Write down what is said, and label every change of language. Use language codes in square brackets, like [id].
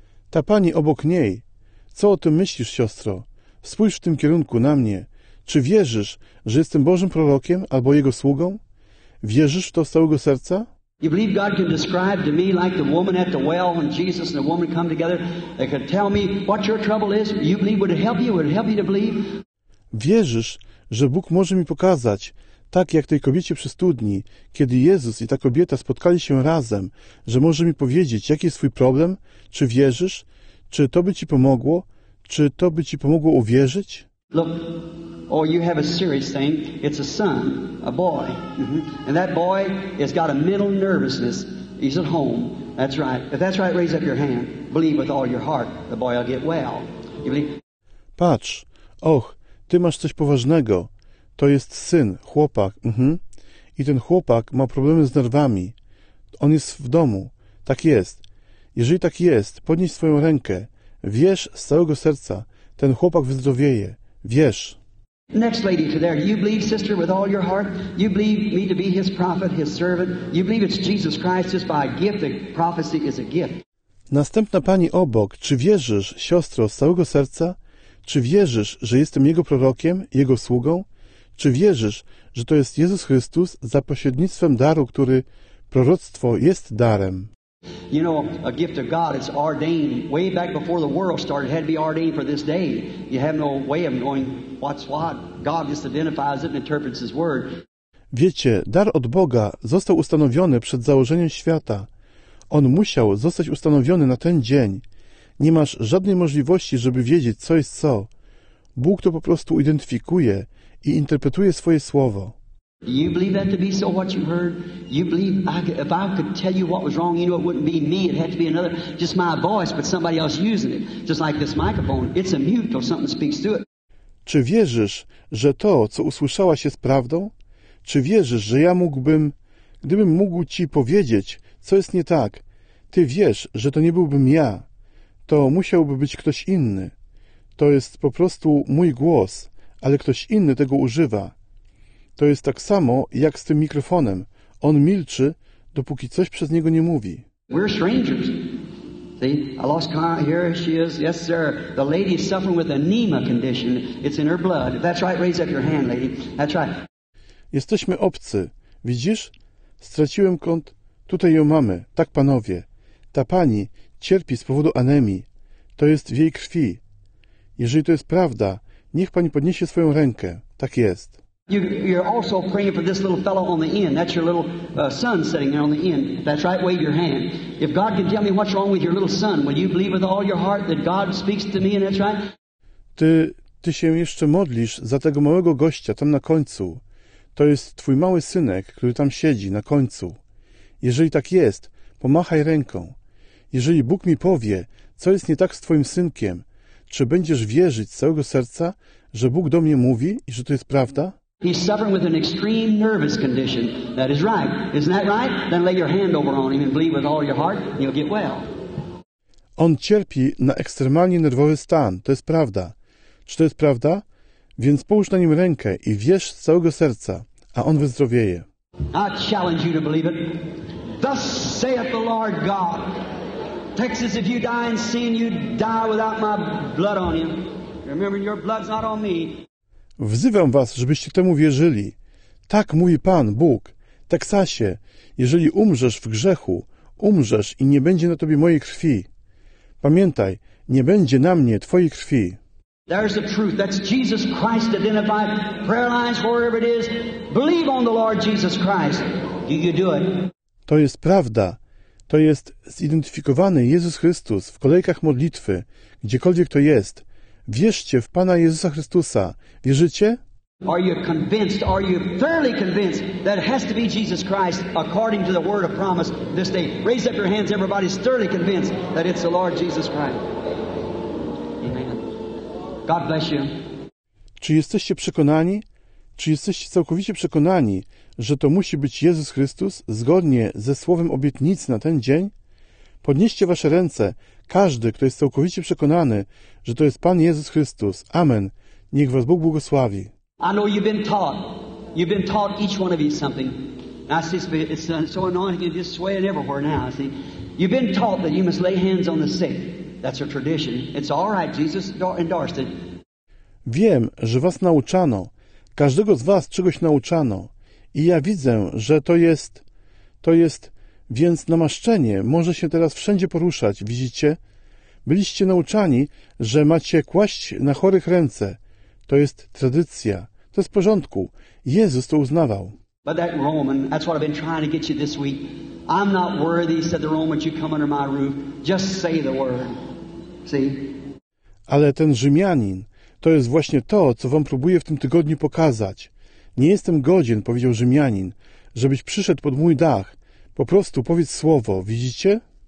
[pl] Ta pani obok niej, co o tym myślisz, siostro? Spójrz w tym kierunku na mnie. Czy wierzysz, że jestem Bożym prorokiem albo jego sługą? Wierzysz w to z całego serca? [en] You believe God can describe to me like the woman at the well when Jesus and the woman come together? They could tell me what your trouble is? You believe? Would it help you? Would it help you to believe? [pl] Wierzysz, że Bóg może mi pokazać, tak jak tej kobiecie przy studni, kiedy Jezus i ta kobieta spotkali się razem, że może mi powiedzieć, jaki jest twój problem? Czy wierzysz? Czy to by ci pomogło? Czy to by ci pomogło uwierzyć? [en] Look, oh, you have a serious thing. It's a son, a boy. And that boy has got a mental nervousness. He's at home. That's right. If that's right, raise up your hand. Believe with all your heart, the boy will get well. You believe? [pl] Patrz, och, ty masz coś poważnego. To jest syn, chłopak. I ten chłopak ma problemy z nerwami. On jest w domu. Tak jest. Jeżeli tak jest, podnieś swoją rękę. Wierz z całego serca. Ten chłopak wyzdrowieje. Wierz. [en] Next lady to there. You believe, sister, with all your heart? You believe me to be his prophet, his servant? You believe it's Jesus Christ just by a gift? The prophecy is a gift. [pl] Następna pani obok. Czy wierzysz, siostro, z całego serca? Czy wierzysz, że jestem jego prorokiem, jego sługą? Czy wierzysz, że to jest Jezus Chrystus za pośrednictwem daru, który proroctwo jest darem? [en] You know, a gift of God is ordained way back before the world started. It had to be ordained for this day. You have no way of knowing what's what. God just identifies it and interprets his word. [pl] Wiecie, dar od Boga został ustanowiony przed założeniem świata. On musiał zostać ustanowiony na ten dzień. Nie masz żadnej możliwości, żeby wiedzieć, co jest co. Bóg to po prostu identyfikuje i interpretuje swoje słowo. [en] Do you believe that to be so, what you heard? You believe if I could tell you what was wrong, you know it wouldn't be me, it had to be another, just my voice, but somebody else using it. Just like this microphone, it's a mute till something speaks to it. [pl] Czy wierzysz, że to, co usłyszałaś, jest prawdą? Czy wierzysz, że ja mógłbym, gdybym mógł ci powiedzieć, co jest nie tak, Ty wiesz, że to nie byłbym ja. To musiałby być ktoś inny. To jest po prostu mój głos, ale ktoś inny tego używa. To jest tak samo jak z tym mikrofonem. On milczy, dopóki coś przez niego nie mówi. [en] We're strangers. See, I lost count. Here she is. Yes, sir. The lady is suffering with anemia condition. It's in her blood. That's right. Raise up your hand, lady. That's right. [pl] Jesteśmy obcy. Widzisz? Straciłem kąt. Tutaj ją mamy. Tak, panowie. Ta pani cierpi z powodu anemii. To jest w jej krwi. Jeżeli to jest prawda, niech pani podniesie swoją rękę. Tak jest. [en] You're also praying for this little fellow on the end. That's your little son sitting there on the end. That's right, wave your hand. If God can tell me what's wrong with your little son, will you believe with all your heart that God speaks to me, and that's right? [pl] Ty się jeszcze modlisz za tego małego gościa tam na końcu. To jest twój mały synek, który tam siedzi na końcu. Jeżeli tak jest, pomachaj ręką. Jeżeli Bóg mi powie, co jest nie tak z twoim synkiem, czy będziesz wierzyć z całego serca, że Bóg do mnie mówi i że to jest prawda? [en] He's suffering with an extreme nervous condition. That is right. Isn't that right? Then lay your hand over on him and believe with all your heart and you'll get well. [pl] On cierpi na ekstremalnie nerwowy stan. To jest prawda. Czy to jest prawda? Więc połóż na nim rękę i wierz z całego serca, a on wyzdrowieje. [en] I challenge you to believe it. Thus saith the Lord God. Texas, if you die in sin, you die without my blood on you. Remember, your blood's not on me. [pl] Wzywam was, żebyście temu wierzyli. Tak mówi Pan, Bóg. Teksasie, jeżeli umrzesz w grzechu, umrzesz i nie będzie na tobie mojej krwi. Pamiętaj, nie będzie na mnie twojej krwi. [en] There's the truth. That's Jesus Christ identified. Prayer lines, wherever it is. Believe on the Lord Jesus Christ. Do you do it? [pl] To jest prawda. To jest zidentyfikowany Jezus Chrystus w kolejkach modlitwy, gdziekolwiek to jest. Wierzcie w Pana Jezusa Chrystusa. Wierzycie? [en] Are you convinced? Are you thoroughly convinced that it has to be Jesus Christ according to the word of promise this day? Raise up your hands, everybody's thoroughly convinced that it's the Lord Jesus Christ. Amen. God bless you. [pl] Czy jesteście przekonani? Czy jesteście całkowicie przekonani, że to musi być Jezus Chrystus zgodnie ze słowem obietnicy na ten dzień? Podnieście wasze ręce, każdy, kto jest całkowicie przekonany, że to jest Pan Jezus Chrystus. Amen. Niech was Bóg błogosławi. [en] I know you've been taught. You've been taught, each one of you, something. It's so annoying, it's just swaying everywhere now, see. You've been taught that you must lay hands on the sick. That's a tradition. It's all right, Jesus endorsed it. [pl] Wiem, że was nauczano. Każdego z was czegoś nauczano. I ja widzę, że to jest... Więc namaszczenie może się teraz wszędzie poruszać, widzicie? Byliście nauczani, że macie kłaść na chorych ręce. To jest tradycja. To jest w porządku. Jezus to uznawał. [en] But that Roman, that's what I've been trying to get you this week. I'm not worthy, said the Roman, you come under my roof. Just say the word. See? [pl] Ale ten Rzymianin, to jest właśnie to, co wam próbuję w tym tygodniu pokazać. Nie jestem godzien, powiedział Rzymianin, żebyś przyszedł pod mój dach. Po prostu powiedz słowo, widzicie?